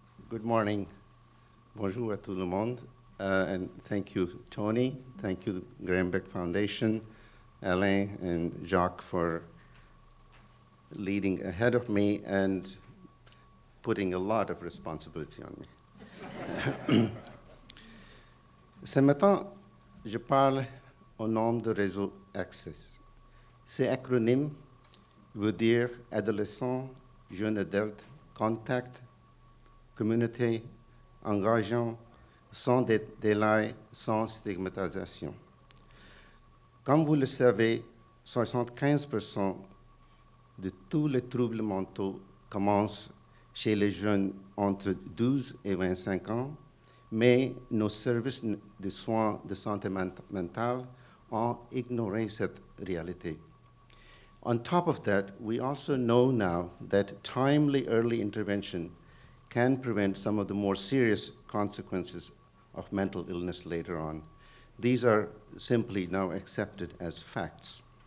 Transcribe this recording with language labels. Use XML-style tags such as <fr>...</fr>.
<en>Good morning.</en> <fr>Bonjour à tout le monde.</fr> <en>And thank you, Tony. Thank you, the Graham Beck Foundation, Alain and Jacques for leading ahead of me and putting a lot of responsibility on me.</en> <fr>Ce matin, je parle au nom de Réseau Access. Cet acronyme veut dire adolescent, jeune adulte, contact, communauté, engageant, sans délai, sans stigmatisation. Comme vous le savez, 75% de tous les troubles mentaux commencent chez les jeunes entre 12 et 25 ans, mais nos services de soins de santé mentale ont ignoré cette réalité.</fr> <en>On top of that, we also know now that timely early intervention can prevent some of the more serious consequences of mental illness later on. These are simply now accepted as facts.</en>